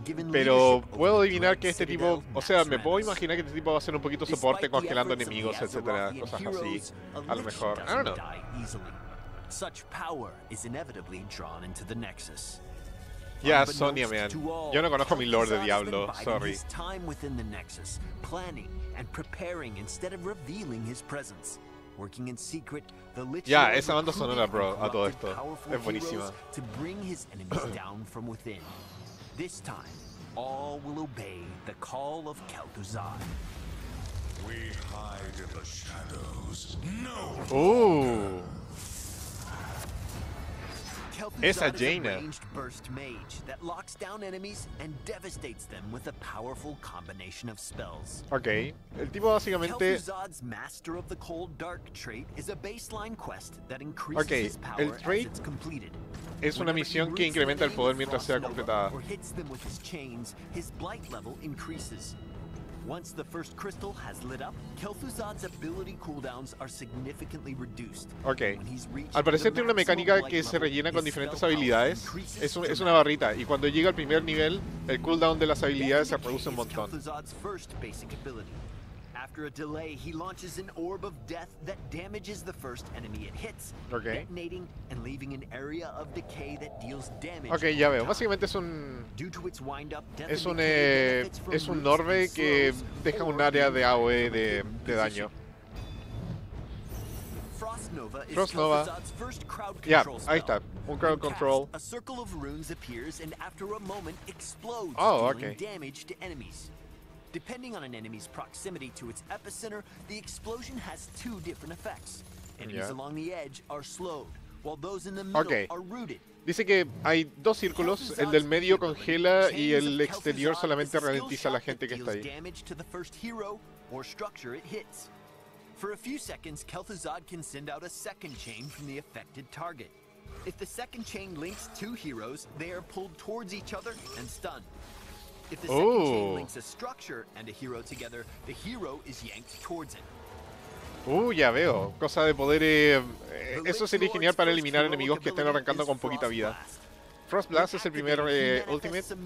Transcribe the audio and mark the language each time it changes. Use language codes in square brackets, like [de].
[es] Pero puedo adivinar que este tipo, o sea, me puedo imaginar que este tipo va a hacer un poquito soporte congelando enemigos, etcétera, cosas así. A lo mejor, [en] I don't know. Such power is inevitably drawn into the Nexus. Yeah, Sonia, man. [es] Yo no conozco mi lore de Diablo, [en] sorry. His time within the Nexus, planning and preparing instead of revealing his presence, working in secret, the Lich. [es] Yeah, esa banda sonora, bro, a todo esto. Es buenísima. [en] To bring his enemies down from within. This time, all will obey the call of Kel'Thuzad. We hide in the shadows. No. [es] Esa Jaina. [en] Burst mage that locks down enemies and devastates them with a powerful combination of spells. Okay. [es] El tipo básicamente [en] Kel'Thuzad's Master of the Cold Dark trait is a baseline quest that increases his power. El trait as completed. [es] Es una misión que incrementa el poder mientras sea completada. [en] Or hits them with his chains, his blight level increases. Once the first crystal has lit up, Kel'Thuzad's ability cooldowns are significantly reduced. Okay. [es] Al parecer tiene una mecánica que se rellena con diferentes habilidades. Es una barrita y cuando llega al primer nivel, el cooldown de las habilidades se reduce un montón. [en] Kel'Thuzad's first basic ability. After a delay, he launches an orb of death that damages the first enemy it hits, detonating and leaving an area of decay that deals damage. [es] Okay, ya veo. Básicamente es un orbe que deja un área de AOE de daño. [en] Frost [es] Frost Nova. Yeah, ahí está. Un crowd control. [en] A circle of runes appears and after a moment explodes, dealing damage to enemies. Depending on an enemy's proximity to its epicenter, the explosion has two different effects. Enemies along the edge are slowed, while those in the middle are rooted. [es] Dice que hay dos círculos, el del medio congela y el exterior solamente ralentiza a la gente que está ahí. [en] Damage to the first hero or structure it hits. For a few seconds, Kel'Thuzad can send out a second chain from the affected target. If the second chain links two heroes, they are pulled towards each other and stunned. If the second chain links a structure and a hero together, the hero is yanked towards it. [es] Ya veo. Cosa de poder... eso sería genial para eliminar enemigos que estén arrancando con poquita vida. Frost Blast es el primer ultimate.